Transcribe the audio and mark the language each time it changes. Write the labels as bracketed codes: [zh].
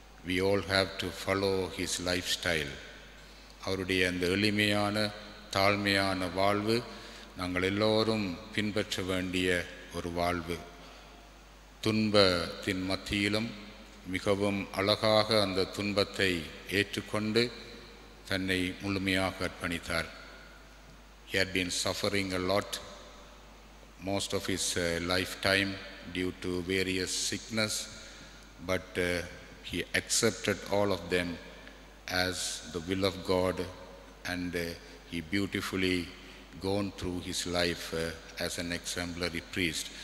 [en] We all have to follow his lifestyle. [ta] அவருடைய அந்த எளிமையான தாழ்மையான வாழ்வு நாங்கள் எல்லோரும் பின்பற்ற வேண்டிய ஒரு வாழ்வு. துன்பத்தின் மத்தியிலும் மிகவும் அழகாக அந்த துன்பத்தை ஏற்றுக்கொண்டு தன்னை முழுமையாக அர்ப்பணித்தார். [en] He had been suffering a lot most of his lifetime due to various sickness, but he accepted all of them as the will of God, and he beautifully gone through his life as an exemplary priest.